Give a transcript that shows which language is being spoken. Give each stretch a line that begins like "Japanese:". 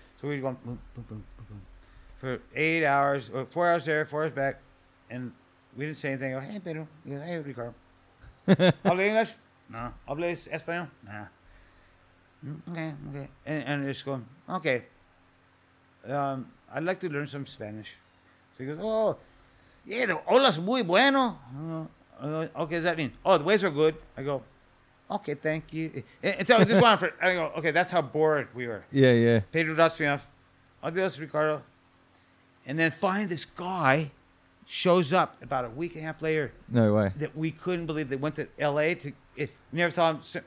English: So we go boom, boom, boom, boom, boom. For 8 hours, or 4 hours there, 4 hours back. And we didn't say anything. I go, hey, Pedro. He goes, hey, Ricardo. Habla English? No.
Spanish: Habla Español?
English: No. Okay. And he's going, okay. I'd like to learn some Spanish. So he goes, oh, yeah, the
Spanish: olas muy bueno.
English: Okay, does that mean? Oh, the waves are good. I go, okay, thank you. And so this one, I go, okay, that's how bored we were. Yeah, yeah. Pedro drops me off. Adios, Ricardo. And then finally this guy shows up about a week and a half later. No way. That we couldn't believe. They went to L.A. to... It, never saw him.